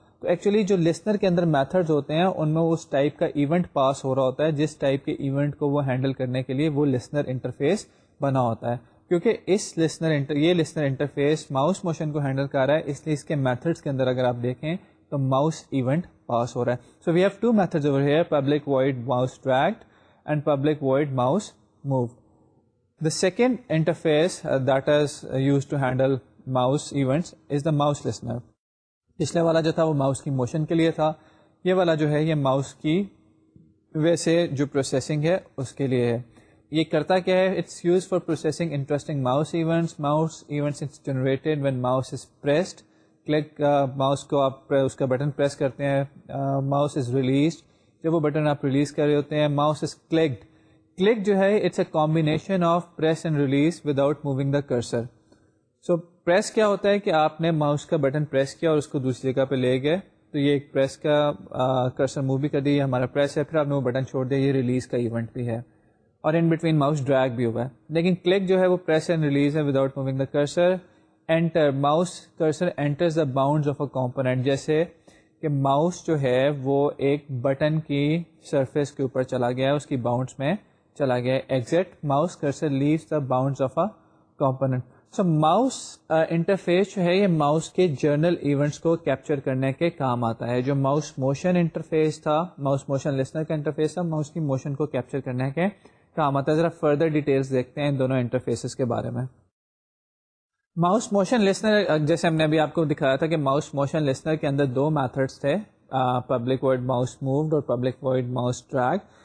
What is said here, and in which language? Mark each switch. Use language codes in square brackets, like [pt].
[ur] تو ایکچولی جو لسنر کے اندر میتھڈز ہوتے ہیں ان میں اس ٹائپ کا ایونٹ پاس ہو رہا ہوتا ہے جس ٹائپ کے ایونٹ کو وہ ہینڈل کرنے کے لیے وہ لسنر انٹرفیس بنا ہوتا ہے. کیونکہ یہ لسنر انٹرفیس ماؤس موشن کو ہینڈل کر رہا ہے, اس لیے اس کے میتھڈز کے اندر اگر آپ دیکھیں تو ماؤس ایونٹ پاس ہو رہا ہے. [en] So we have two methods over here, public void mouse dragged and public void mouse move. The second interface that is use to handle mouse events is the mouse listener. [ur] پچھلے والا جو تھا وہ mouse کی motion کے لیے تھا, یہ والا جو ہے یہ ماؤس کی ویسے جو پروسیسنگ ہے اس کے لیے ہے. یہ کرتا کیا ہے, [en] It's use for processing interesting mouse events. Mouse events it's generated when mouse is pressed, [ur] click mouse کو آپ اس کا بٹن پریس کرتے ہیں, [en] mouse is released [ur] جب وہ بٹن آپ ریلیز کر رہے ہوتے ہیں, [en] Mouse is clicked. [ur] کلک جو ہے [en] It's a combination of press and release without moving the cursor. [ur] So press کیا ہوتا ہے کہ آپ نے ماؤس کا بٹن پریس کیا اور اس کو دوسری جگہ پہ لے گئے, تو یہ ایک پریس کا کرسر موو بھی کر دیا, یہ ہمارا پریس ہے, پھر آپ نے وہ بٹن چھوڑ دیا, یہ ریلیز کا ایونٹ بھی ہے, اور [en] in between [ur] ماؤس ڈریگ بھی ہوا ہے. لیکن کلک جو ہے وہ پریس اینڈ ریلیز ہے [en] Without moving the cursor. Enter, mouse cursor enters the bounds of a component. [ur] جیسے کہ ماؤس جو ہے وہ ایک بٹن کی سرفیس کے اوپر چلا گیا ہے, اس کی باؤنڈز میں چلا گیا ہے. [en] Exit, mouse cursor leaves the bounds of a component. [ur] So mouse interface جو ہے یہ ماؤس کے جرنل ایونٹس کو کیپچر کرنے کے کام آتا ہے. جو ماؤس موشن انٹرفیس تھا, ماؤس موشن لسنر کا انٹرفیس تھا, ماؤس کی موشن کو کیپچر کرنے کے کام آتا ہے. ذرا فردر ڈیٹیلز دیکھتے ہیں ان دونوں انٹرفیسز کے بارے میں. ماؤس موشن لسنر, جیسے ہم نے ابھی آپ کو دکھایا تھا کہ ماؤس موشن لسنر کے اندر دو میتھڈس تھے, پبلک وائڈ ماؤس مووڈ اور پبلک وائڈ ماؤس ڈریگ.